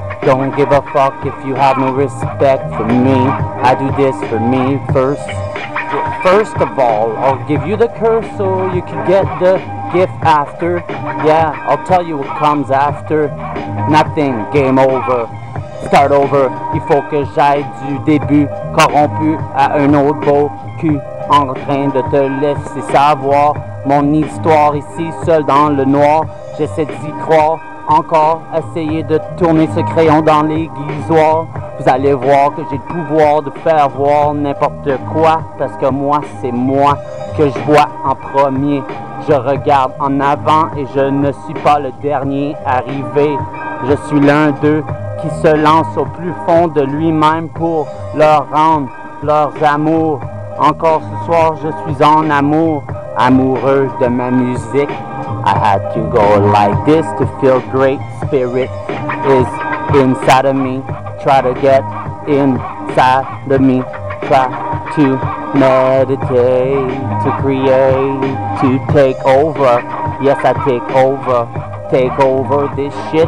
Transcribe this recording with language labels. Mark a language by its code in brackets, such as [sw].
[en] Don't give a fuck if you have no respect for me. I do this for me first. First of all, I'll give you the curse so you can get the gift after. Yeah, I'll tell you what comes after. Nothing, game over. Start over, [fr] il faut que j'aille du début corrompu à un autre beau cul en train de te laisser savoir mon histoire ici seul dans le noir. J'essaie d'y croire encore, essayer de tourner ce crayon dans l'aiguisoir. Vous allez voir que j'ai le pouvoir de faire voir n'importe quoi, parce que moi c'est moi que je vois en premier. Je regarde en avant et je ne suis pas le dernier arrivé. Je suis l'un d'eux qui se lance au plus fond de lui-même pour leur rendre leurs amours. Encore ce soir, je suis en amour, amoureux de ma musique. [en] I had to go like this to feel great. Spirit is inside of me. Try to get inside of me. Try to meditate, to create, to take over. Yes, I take over. Take over this shit.